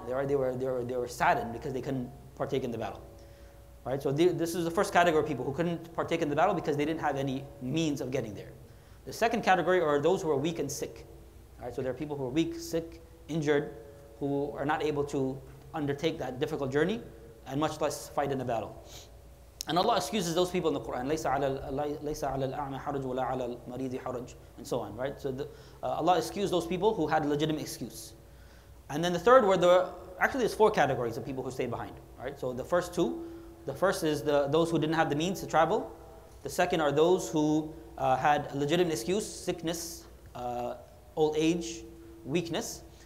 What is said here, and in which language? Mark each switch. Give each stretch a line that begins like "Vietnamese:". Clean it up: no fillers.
English: They were saddened because they couldn't partake in the battle. Right, so this is the first category of people who couldn't partake in the battle because they didn't have any means of getting there. The second category are those who are weak and sick. All right, so there are people who are weak, sick, injured, who are not able to undertake that difficult journey and much less fight in the battle. And Allah excuses those people in the Quran.
Arabic: لَيْسَ عَلَى الْأَعْمَى حَرَجُ وَلَا عَلَى الْمَرِيدِ حَرَجُ
English: and so on, right? So Allah excused those people who had a legitimate excuse. And then the third were actually there's four categories of people who stayed behind, right? So the first two, the first is those who didn't have the means to travel. The second are those who had a legitimate excuse, sickness, old age, weakness.